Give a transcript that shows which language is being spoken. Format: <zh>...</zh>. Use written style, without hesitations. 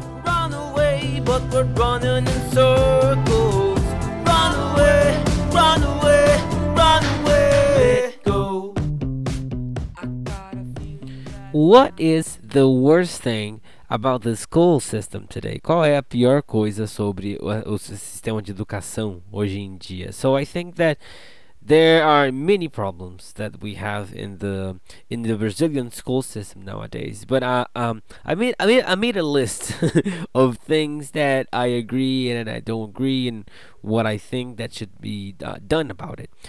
<en>Run away, but we're running in circles. Run away, run away, run away. Go. What is the worst thing about the school system today?</en> <pt>Qual é a pior coisa sobre o sistema de educação hoje em dia?</pt> <en>So I think that there are many problems that we have in the Brazilian school system nowadays. But I made a list of things that I agree and I don't agree and what I think that should be done about it.</en>